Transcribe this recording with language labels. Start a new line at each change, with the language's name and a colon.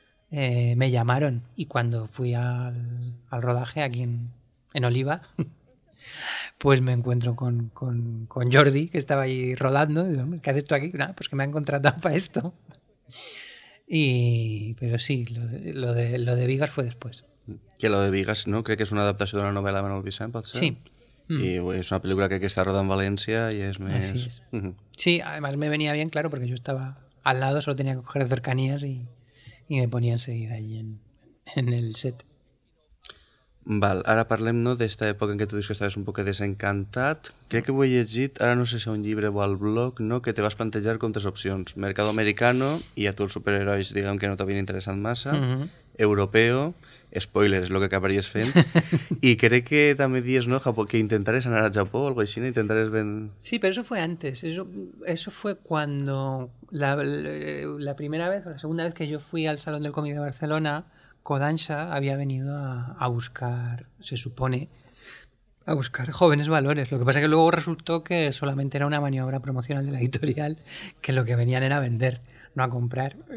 Spanish: me llamaron y cuando fui al rodaje aquí en Oliva, pues me encuentro con Jordi, que estaba ahí rodando. Y digo, ¿qué haces tú aquí? Nah, pues que me han contratado para esto. Y pero sí, lo de Vigas fue después. Que lo de Vigas, ¿no?
Catalan: Crec que és una adaptació d'una novel·la de Manuel Vicent, pot ser? Sí. Mm. I és una pel·lícula que està rodada en València i és més...
Spanish: Así es. Sí, además me venía bien, claro, porque yo estaba al lado, solo tenía que coger cercanías y me ponía enseguida allí en el set.
Catalan: Val, ara parlem, no, d'esta època en què tu dius que estaves un poc desencantat. Crec que ho he llegit, ara no sé si a un llibre o al blog, no, que te vas plantejar com tres opcions.
Spanish: Mercado americano,
Catalan: i a tu els superherois, diguem, que no t'havien interessat massa. Mm-hmm. Europeo, spoiler, és el que acabaries fent. I crec que també dius, no, que intentaràs anar a Japó o algo així, intentaràs ben...
Spanish: Sí, però eso fue antes. Eso fue cuando la primera vez, o la segunda vez que yo fui al Salón del Cómic de Barcelona, Kodansha había venido a buscar, se supone, a buscar jóvenes valores. Lo que pasa es que luego resultó que solamente era una maniobra promocional de la editorial, que lo que venían era vender, no a comprar.